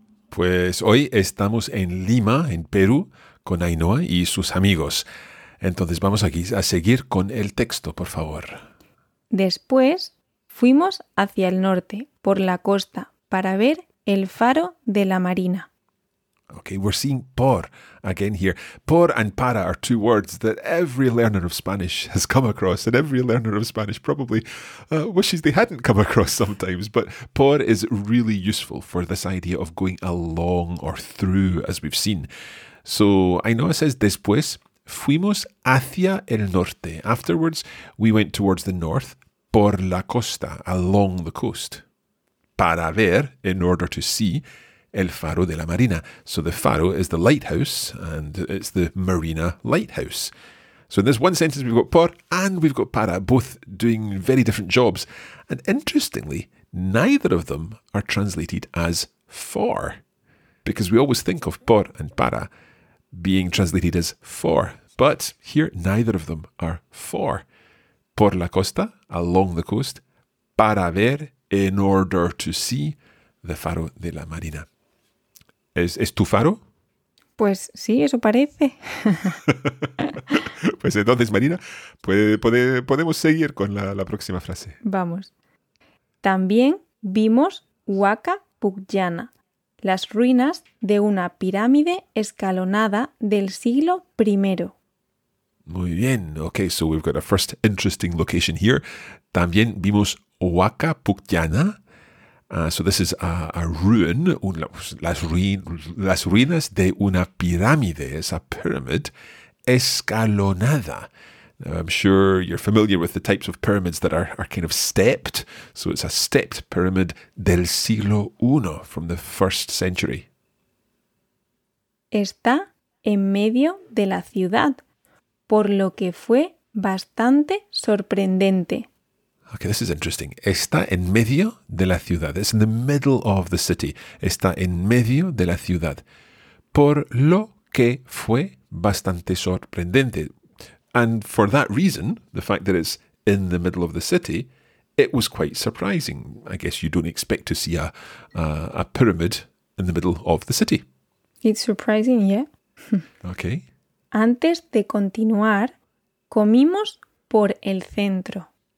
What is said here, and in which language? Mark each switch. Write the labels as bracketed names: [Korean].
[Spanish] Pues hoy estamos en Lima, en Perú, con Ainhoa y sus amigos. Entonces vamos aquí a seguir con el texto, por favor. Después fuimos hacia el norte, por la costa, para ver el faro de la marina. [English] Okay, we're seeing por again here. Por and para are two words that every learner of Spanish has come across, and every learner of Spanish probably wishes they hadn't come across sometimes. But por is really useful for this idea of going along or through, as we've seen. So Ainhoa says, [Spanish] después fuimos hacia el norte. [English] Afterwards, we went towards the north, [Spanish] por la costa, [English] along the coast. [Spanish] Para ver, [English] in order to see, [Spanish] el faro de la marina. [English] So the faro is the lighthouse, and it's the marina lighthouse. So in this one sentence, we've got por and we've got para, both doing very different jobs. And interestingly, neither of them are translated as for, because we always think of por and para being translated as for. But here, neither of them are for. [Spanish] Por la costa, [English] along the coast. [Spanish] Para ver, [English] in order to see, the [Spanish] faro de la marina. ¿Es tu faro? Pues sí, eso parece. Pues entonces, Marina, podemos seguir con la próxima frase. Vamos. También vimos Huaca Pucllana, las ruinas de una pirámide escalonada del siglo I. Muy bien. [English] Okay, so we've got a first interesting location here. [Spanish] También vimos Huaca Pucllana. [English] So this is a ruin, [Spanish] las ruinas de una pirámide. [English] It's a pyramid escalonada. Now, I'm sure you're familiar with the types of pyramids that are kind of stepped. So it's a stepped pyramid [Spanish] del siglo I, [English] from the first century. [Spanish] Está en medio de la ciudad, por lo que fue bastante sorprendente. [English] Okay, this is interesting. [Spanish] Está en medio de la ciudad. [English] It's in the middle of the city. [Spanish] Está en medio de la ciudad. Por lo que fue bastante sorprendente. [English] And for that reason, the fact that it's in the middle of the city, it was quite surprising. I guess you don't expect to see a pyramid in the middle of the city. It's surprising, yeah. Okay. [Spanish] Antes de continuar, comimos por el centro.